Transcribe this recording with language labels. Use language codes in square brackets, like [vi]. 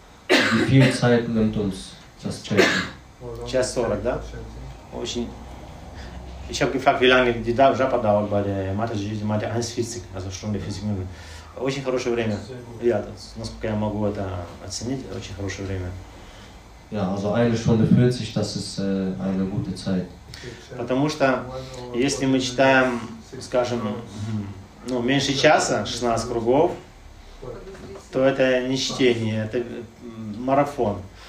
[de] Wie viel Zeit nimmt uns das Chanten? [ru] Час 40, да? Очень. [de] Ich habe gefragt, wie lange die Japa dauert bei der Mataji, die meinte 1,40, also Stunde 40 Minuten. [ru] Очень хорошее время. Ja, насколько я могу это оценить, очень хорошее время. [de] Ja, also eine Stunde 40, das ist eine gute Zeit. [ru] Потому что если мы читаем, скажем, ну, меньше часа, 16 кругов, то это не чтение, это марафон.